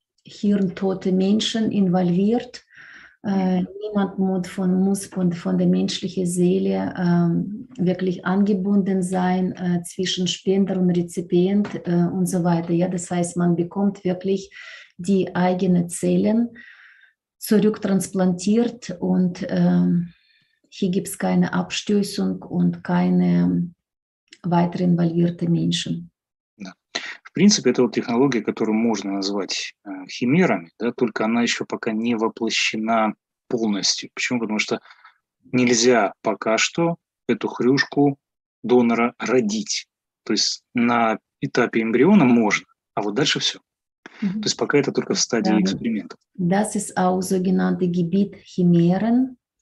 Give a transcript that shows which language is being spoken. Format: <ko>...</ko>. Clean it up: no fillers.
<de>hirntote Menschen involviert. Niemand muss von der menschlichen Seele wirklich angebunden sein zwischen Spender und Rezipient und so weiter. Ja, das heißt, man bekommt wirklich die eigenen Zellen zurücktransplantiert und hier gibt es keine Abstößung und keine weiter involvierten Menschen.</de> <ru>В принципе, это вот технология, которую можно назвать химерами, да, только она еще пока не воплощена полностью. Почему? Потому что нельзя пока что эту хрюшку донора родить. То есть на этапе эмбриона можно, а вот дальше все. То есть пока это только в стадии эксперимента.</ru> <de>Das ist auch sogenannte Gebiet Chimären.</de>